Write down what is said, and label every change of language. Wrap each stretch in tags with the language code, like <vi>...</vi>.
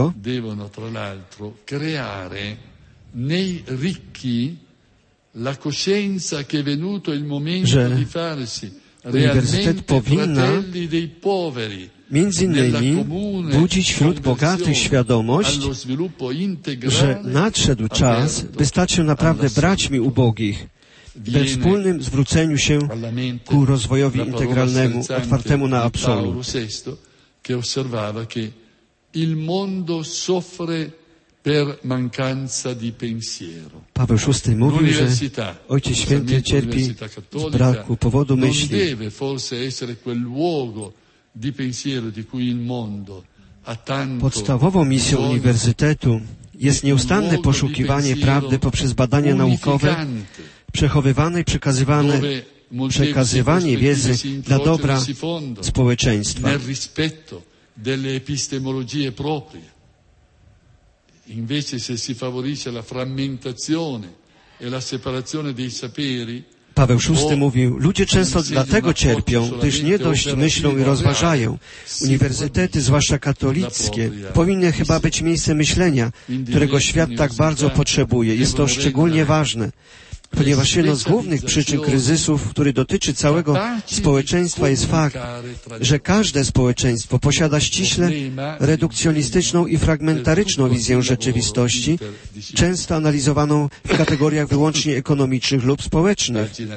<it>Devono tra l'altro creare nei ricchi la coscienza che è venuto il momento di farsi realmente fratelli dei poveri,</it> <pl>między innymi budzić wśród bogatych świadomość, że nadszedł czas, by stać się naprawdę braćmi ubogich we wspólnym zwróceniu się ku rozwojowi integralnemu, otwartemu na absolut.</pl> <it>Che osservava che il mondo soffre per mancanza di pensiero.</it> <pl>Paweł VI mówił, że Ojciec Święty cierpi z braku powodu myśli.</pl> <it>Non deve forse essere quel luogo di pensiero di cui il mondo ha tanto.</it> <pl>Podstawową misją uniwersytetu jest nieustanne poszukiwanie prawdy poprzez badania naukowe, przechowywane i przekazywanie wiedzy dla dobra społeczeństwa.</pl> <it>Nel rispetto delle epistemologie proprie. Invece se si favorisce la frammentazione e la separazione dei saperi.</it> <pl>Paweł VI mówił, ludzie często dlatego cierpią, gdyż nie dość myślą i rozważają. Uniwersytety, zwłaszcza katolickie, powinny chyba być miejscem myślenia, którego świat tak bardzo potrzebuje. Jest to szczególnie ważne, ponieważ jedną z głównych przyczyn kryzysów, który dotyczy całego społeczeństwa, jest fakt, że każde społeczeństwo posiada ściśle redukcjonistyczną i fragmentaryczną wizję rzeczywistości, często analizowaną w kategoriach wyłącznie ekonomicznych lub społecznych.</pl>